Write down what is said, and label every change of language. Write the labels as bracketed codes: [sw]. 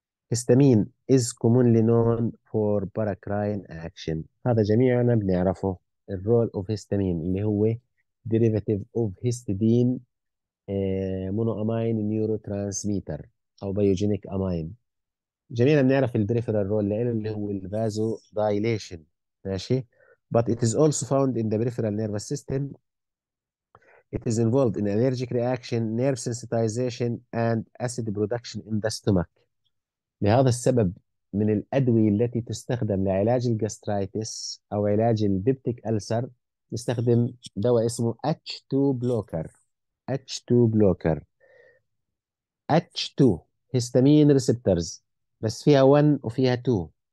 [en] Histamine is commonly known for paracrine action. [ar] هذا جميعنا بنعرفه، الرول اوف هيستامين اللي هو [en] derivative of histidine monoamine neurotransmitter [ar] أو biogenic amine. جميعنا بنعرف ال [en] peripheral role [ar] اللي هو ال [en] vasodilation، ماشي؟ but it is also found in the peripheral nervous system. It is involved in allergic reaction, nerve sensitization and acid production in the stomach. [ar] لهذا السبب من الأدوية التي تستخدم لعلاج الجاسترايتس أو علاج البيبتيك ألسر نستخدم دواء اسمه H2 بلوكر. H2 بلوكر H2 هيستامين ريسبتورز، بس فيها 1 وفيها 2.